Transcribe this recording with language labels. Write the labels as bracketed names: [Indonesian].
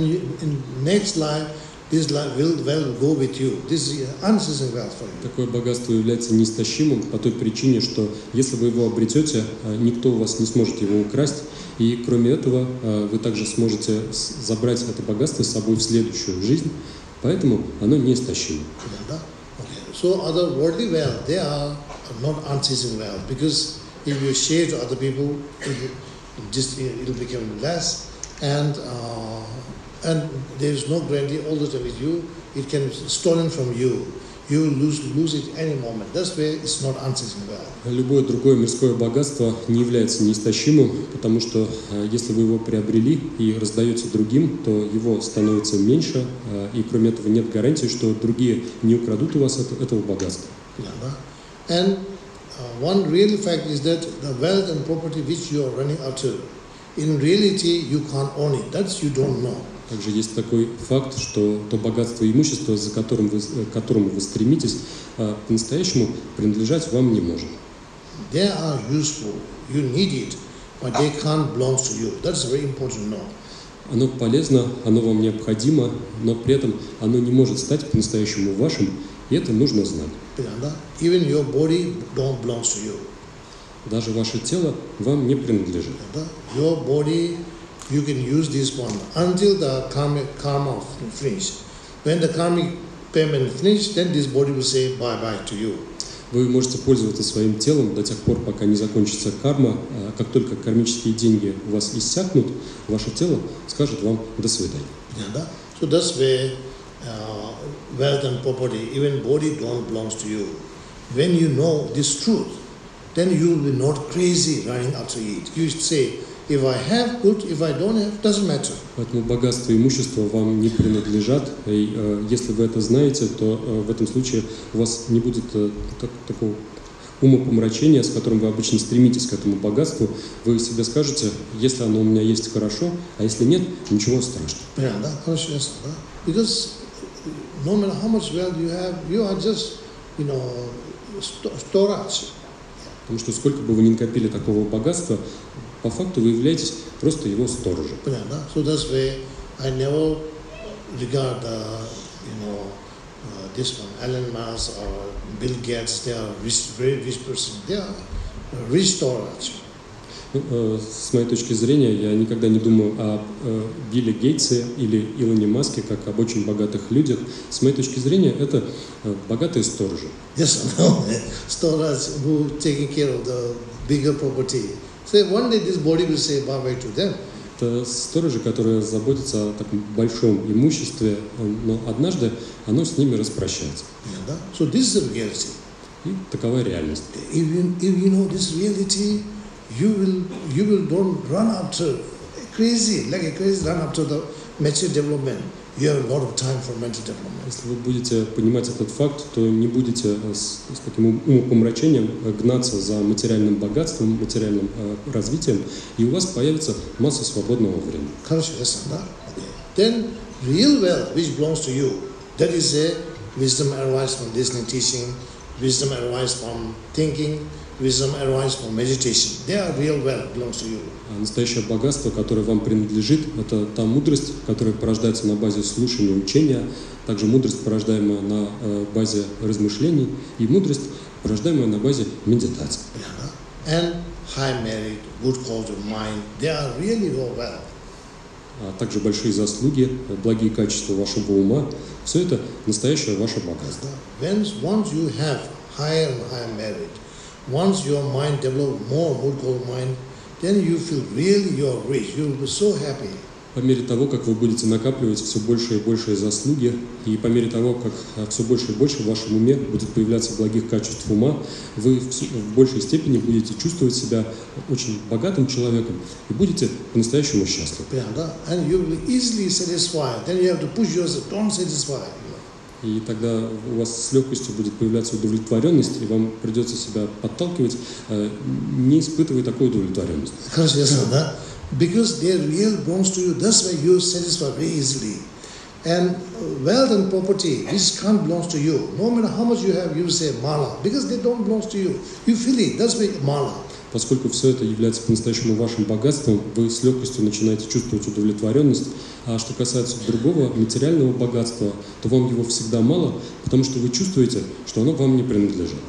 [English] And you, in next life, this life will go with you. This is unceasing wealth for you. [Russian] Такое богатство является неистощимым по той причине, что если вы его обретете, никто у вас не сможет его украсть. И кроме этого, вы также сможете забрать это богатство с собой в следующую жизнь. Поэтому оно неистощимо. [English] So other worldly wealth, they are not unceasing wealth. Because if you share to other people, just it'll become less, and there is no guarantee all the time with you. It can be stolen from you. You lose it any moment. That's why it's not unceasing wealth. [Russian] Любое другое мирское богатство не является неистощимым, потому что если вы его приобрели и раздаете другим, то его становится меньше, и кроме этого нет гарантии, что другие не украдут у вас этого богатства. [English] And one real fact is that the wealth and property which you are running after, in reality you can't own it. That's you don't know. [Russian] Также есть такой факт, что то богатство и имущество, за которым вы, к которому вы стремитесь, по-настоящему принадлежать вам не может. [English] They are useful. You need it, but they can't belong to you. That's a very important note. [Russian] Оно полезно, оно вам необходимо, но при этом оно не может стать по-настоящему вашим, и это нужно знать. [English] Even your body don't belong to you. [Russian] Даже ваше тело вам не принадлежит. [English] Your body, you can use this one until the karma finish. When the karmic payment finish, then this body will say bye-bye to you. [Russian] Вы можете пользоваться своим телом до тех пор, пока не закончится карма. Как только кармические деньги у вас иссякнут, ваше тело скажет вам до свидания. [English] Yeah, [Russian] да? [English] So that's where wealth and property, even body don't belong to you. When you know this truth, then you will be not crazy running after it. You say, if I have good, if I don't have, doesn't matter. [Russian] Поэтому богатство и имущество вам не принадлежат. И если вы это знаете, то в этом случае у вас не будет такого умопомрачения, с которым вы обычно стремитесь к этому богатству. Вы себе скажете, если оно у меня есть, хорошо, а если нет, ничего страшного. Понятно, да? Хорошо, ясно, да? [English] Because no matter how much wealth you have, you are just, you know, storage. [Russian] Потому что сколько бы вы ни накопили такого богатства, по факту вы являетесь просто его сторожем. Понятно, да? [English] So that's why I never regard, you know, this one, Elon Musk or Bill Gates, they are rich, very rich person. They are rich storage. [Russian] С моей точки зрения, я никогда не думаю о Билле Гейтсе или Илоне Маске как об очень богатых людях. С моей точки зрения, это богатые сторожи. [English] Yes, no, storage who taking care of the bigger property. So one day this body will say bye-bye to them. [Russian] Это сторожи, которые заботятся о таком большом имуществе, но однажды оно с ними распрощается. [English] Yeah, [Russian] да? [English] So this is reality. [Russian] И такова реальность. [English] If you know this reality, you will don't run after crazy, like a crazy run after the mature development. You have a lot of time for mental development. [Russian] Если вы будете понимать этот факт, то не будете с таким умопомрачением гнаться за материальным богатством, материальным развитием, и у вас появится масса свободного времени. Хорошо, [English] yes, [Russian] да? [English] Then real wealth, which belongs to you, that is a wisdom arises from listening, teaching, wisdom arises from thinking, wisdom arises from meditation. They are real wealth belongs to you. [Russian] А настоящее богатство, которое вам принадлежит, это та мудрость, которая порождается на базе слушания учения, также мудрость, порождаемая на базе размышлений, и мудрость, порождаемая на базе медитации. [English] And high merit, good quality of mind, they are really real wealth. [Russian] А также большие заслуги, благие качества вашего ума, все это настоящее ваше богатство. [English] Once you have higher and higher merit, once your mind develops more good quality of mind, then you feel really you are rich. You will be so happy. [Russian] По мере того, как вы будете накапливать все больше и больше заслуги, и по мере того, как все больше и больше в вашем уме будет появляться благих качеств ума, вы в большей степени будете чувствовать себя очень богатым человеком и будете по-настоящему счастливым. И тогда у вас с легкостью будет появляться удовлетворенность, и вам придется себя подталкивать, не испытывая такой удовлетворенности. Конечно, да? [English] Because they really belongs to you, that's why you satisfy very easily. And wealth and property, this can't belong to you. No matter how much you have, you say [Russian] mala, [English] because they don't belong to you. You feel it, that's why [Russian] mala. Поскольку все это является по-настоящему вашим богатством, вы с легкостью начинаете чувствовать удовлетворенность. А что касается другого материального богатства, то вам его всегда мало, потому что вы чувствуете, что оно вам не принадлежит.